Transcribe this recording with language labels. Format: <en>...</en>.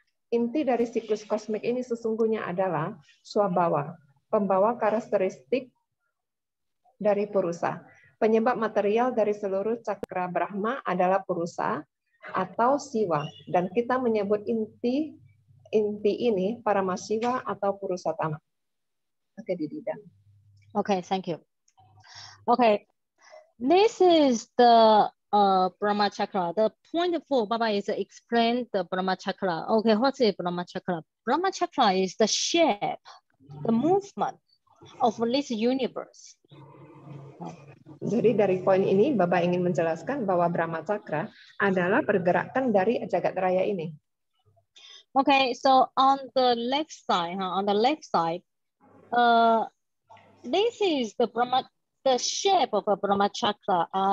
<id>Inti dari siklus kosmik ini sesungguhnya adalah swabhava, pembawa karakteristik dari purusa. Penyebab material dari seluruh cakra Brahma adalah purusa atau Siwa, dan kita menyebut inti ini Paramasiva atau Purusottama. Oke, Didida.</id> <en>Okay, thank you. Okay, this is the Brahma Chakra. The point four, Baba is explain the Brahma Chakra. Okay, what is Brahma Chakra? Brahma Chakra is the shape, the movement of this universe.</en> <id>Jadi dari poin ini, Baba ingin menjelaskan bahwa Brahma Chakra adalah pergerakan dari jagat raya ini.</id> <en>Okay, so on the left side, this is the shape of a Brahma Chakra.</en>